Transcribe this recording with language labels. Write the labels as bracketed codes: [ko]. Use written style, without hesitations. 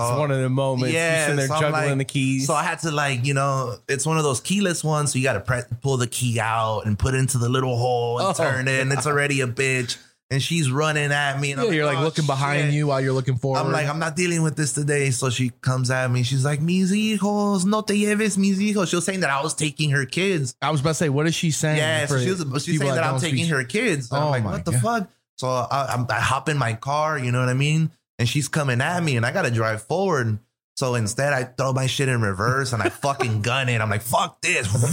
[en] it's one of the moments. Yeah. And they're juggling the keys. So I had to it's one of those keyless ones. So you got to pull the key out and put it into the little hole and turn it. And it's already a bitch. And she's running at me. And Looking behind you while you're looking forward. I'm like, I'm not dealing with this today. So she comes at me. She's like, [es] mis hijos, no te lleves mis hijos. [en] She was saying that I was taking her kids. I was about to say, what is she saying? Yeah, so she's saying that I'm taking her kids. And I'm like, what the fuck? So I hop in my car, you know what I mean? And she's coming at me and I got to drive forward. So instead, I throw my shit in reverse and I fucking gun it. I'm like, fuck this.